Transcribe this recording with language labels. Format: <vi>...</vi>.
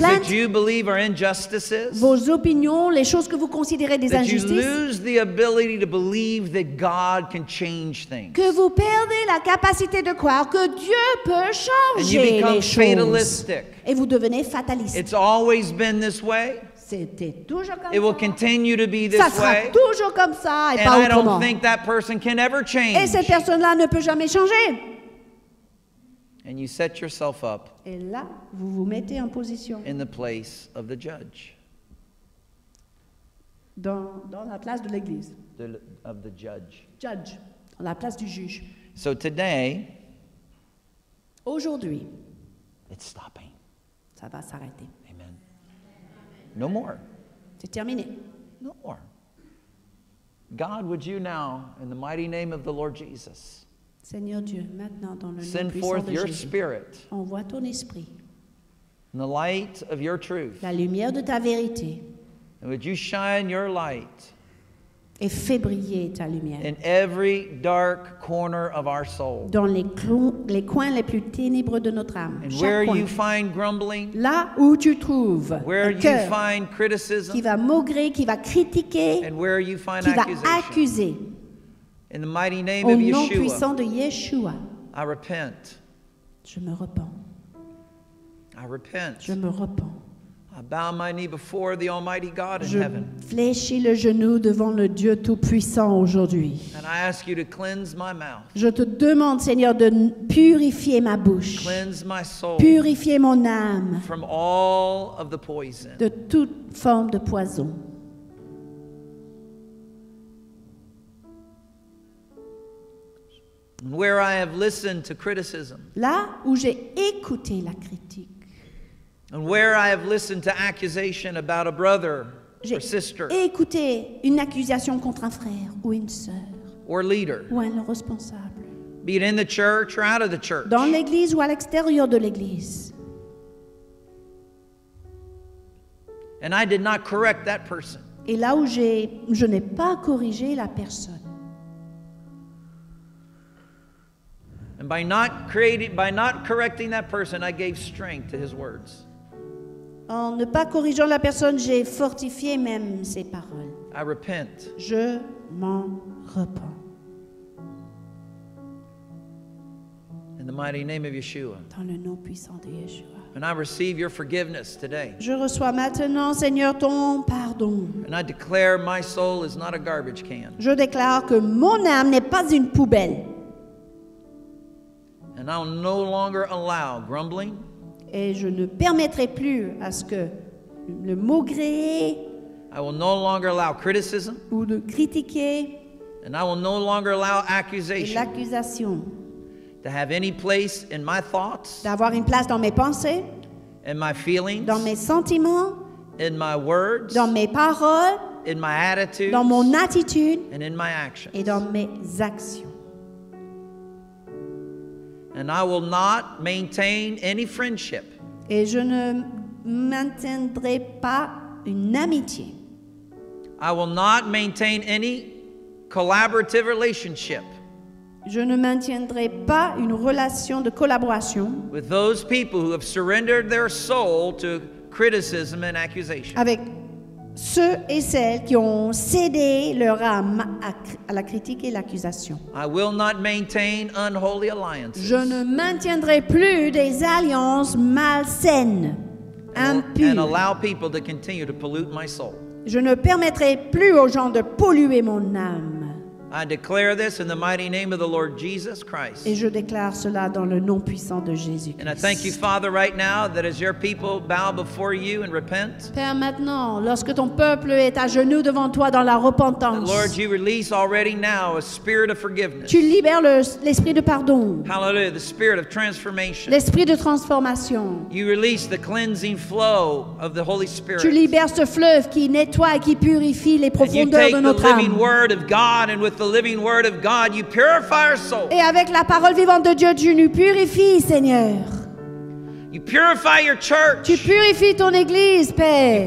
<en>that you believe are injustices.</en> <fr>Vos opinions, les choses que vous considérez des injustices.</fr> <en>That you lose the ability to believe that God can change things.</en> <fr>Que vous perdez la capacité de croire que Dieu peut changer les choses.</fr> <en>And you become fatalistic.</en> <fr>Et vous devenez fataliste.</fr> <en>It's always been this way. It will continue to be this</en> <fr>way. Ça sera toujours comme ça et pas autrement.</fr> <en>And I don't think that person can ever change.</en> <fr>Et cette personne-là ne peut jamais changer.</fr> <en>And you set yourself up.</en> <fr>Et là, vous vous mettez en position.</fr> <en>In the place of the judge.</en> <fr>Dans la place de l'église.</fr> <en>Of the judge.</en> <fr>Judge, dans la place du juge.</fr> <en>So today.</en> <fr>Aujourd'hui.</fr> <en>It's stopping.</en> <fr>Ça va s'arrêter.</fr> <en>No more.</en> <fr>C'est terminé.</fr> <en>No more. God, would you now, in the mighty name of the Lord Jesus,</en> <fr>Seigneur Dieu, maintenant dans le nom</fr> <en>send forth</en> <fr>de</fr> <en>your</en> <fr>Jésus,</fr> <en>spirit</en> <fr>envoie ton esprit,</fr> <en>in the light of your truth.</en> <fr>La lumière de ta vérité,</fr> <en>and would you shine your light</en> <fr>et fais briller ta lumière,</fr> <en>in every dark corner of our soul.</en> <fr>Dans les coins les plus ténébreux de notre âme.</fr> <en>And where</en> <fr>coin.</fr> <en>You find grumbling.</en> <fr>Là où tu trouves</fr> <en>where you</en> <fr>cœur,</fr> <en>find criticism.</en> <fr>Qui va maugréer, qui va critiquer.</fr> <en>And where you find</en> <fr>qui</fr> <en>accusation.</en> <fr>Va accuser.</fr> <en>In the mighty name</en> <fr>au</fr> <en>of Yeshua.</en> <fr>Au nom puissant de Yeshua.</fr> <en>I repent.</en> <fr>Je me repens.</fr> <en>I repent.</en> <fr>Je me repens.</fr> <en>I bow my knee before the Almighty God in heaven.</en> <fr>Je fléchis le genou devant le Dieu Tout-Puissant aujourd'hui.</fr> <en>And I ask you to cleanse my mouth.</en> <fr>Je te demande, Seigneur, de purifier ma bouche.</fr> <en>Cleanse my soul.</en> <fr>Purifier mon âme.</fr> <en>From all of the poison.</en> <fr>De toute forme de poison.</fr> <en>Where I have listened to criticism.</en> <fr>Là où j'ai écouté la critique.</fr> <en>And where I have listened to accusation about a brother</en> <fr>j'ai</fr> <en>or sister,</en> <fr>écouté une accusation contre un frère ou une sœur,</fr> <en>or leader,</en> <fr>ou un responsable,</fr> <en>be it in the church or out of the church,</en> <fr>dans l'église ou à l'extérieur de l'église,</fr> <en>and I did not correct that person,</en> <fr>et là où je n'ai pas corrigé la personne,</fr> <en>and by not correcting that person, I gave strength to his words.</en> <fr>En ne pas corrigeant la personne, j'ai fortifié même ses paroles.</fr> <en>I repent.</en> <fr>Je m'en repens.</fr> <en>In the mighty name of Yeshua.</en> <fr>Dans le nom puissant de Yeshua.</fr> <en>And I receive your forgiveness today.</en> <fr>Je reçois maintenant, Seigneur, ton pardon.</fr> <en>And I declare my soul is not a garbage can.</en> <fr>Je déclare que mon âme n'est pas une poubelle.</fr> <en>And I'll no longer allow grumbling.</en> <fr>Et je ne permettrai plus à ce que le maugréer</fr> <en>I will no longer allow criticism,</en> <fr>ou de critiquer</fr> <en>and I will no longer allow accusation,</en> <fr>et l'accusation</fr> <en>to have any place in my thoughts,</en> <fr>d'avoir une place dans mes pensées</fr> <en>in my feelings,</en> <fr>dans mes sentiments</fr> <en>in my words,</en> <fr>dans mes paroles</fr> <en>in my attitudes,</en> <fr>dans mon attitude</fr> <en>and in my actions.</en> <fr>Et dans mes actions.</fr> <en>And I will not maintain any friendship.</en> <fr>Et je ne maintiendrai pas une amitié.</fr> <en>I will not maintain any collaborative relationship.</en> <fr>Je ne maintiendrai pas une relation de collaboration.</fr> <en>With those people who have surrendered their soul to criticism and accusation.</en> <fr>Avec ceux et celles qui ont cédé leur âme à la critique et l'accusation.</fr> <en>I will not maintain unholy alliances.</en> <fr>Je ne maintiendrai plus des alliances malsaines, impures.</fr> <en>And allow people to continue to pollute my soul.</en> <fr>Je ne permettrai plus aux gens de polluer mon âme.</fr> <en>I declare this in the mighty name of the Lord Jesus Christ.</en> <fr>Et je déclare cela dans le nom puissant de Jésus Christ.</fr> <en>And I thank you, Father, right now, that as your people bow before you and repent,</en> <fr>Père, maintenant, lorsque ton peuple est à genoux devant toi dans la repentance,</fr> <en>Lord, you release already now a spirit of forgiveness.</en> <fr>Tu libères l'esprit de pardon.</fr> <en>Hallelujah, the spirit of transformation.</en> <fr>L'esprit de transformation.</fr> <en>You release the cleansing flow of the Holy Spirit.</en> <fr>Tu libères ce fleuve qui nettoie et qui purifie les profondeurs de notre âme.</fr> <en>The living word of God and with the living word of God, you purify our soul.</en> <fr>Et avec la parole vivante de Dieu, tu nous purifies, Seigneur.</fr> <en>You purify your church.</en> <fr>Tu purifies ton église, Père.</fr>